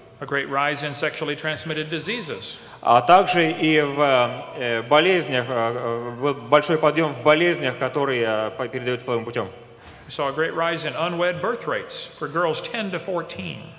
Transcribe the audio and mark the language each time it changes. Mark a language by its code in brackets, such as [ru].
[en] A great rise in sexually transmitted diseases. [ru] А также и в болезнях, большой подъем в болезнях, которые передаются половым путем. [en] We saw a great rise in unwed birth rates for girls 10 to 14.